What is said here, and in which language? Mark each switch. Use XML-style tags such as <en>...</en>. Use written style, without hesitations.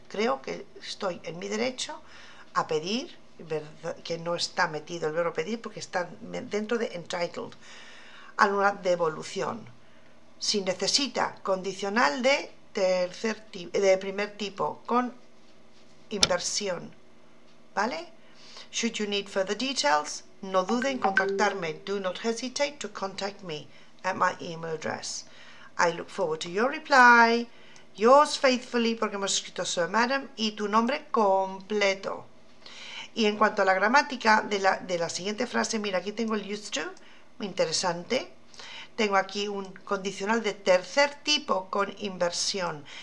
<es>Creo que estoy en mi derecho a pedir, que no está metido el verbo pedir porque está dentro de entitled, a una devolución. Si necesita, condicional de primer tipo, con inversión. ¿Vale? Should you need further details, no dude en contactarme.</es> <en>Do not hesitate to contact me at my email address. I look forward to your reply.</en> <es>Yours faithfully, porque hemos escrito Sir Madam, y tu nombre completo. Y en cuanto a la gramática de la siguiente frase, mira, aquí tengo el used to, interesante. Tengo aquí un condicional de tercer tipo con inversión.</es>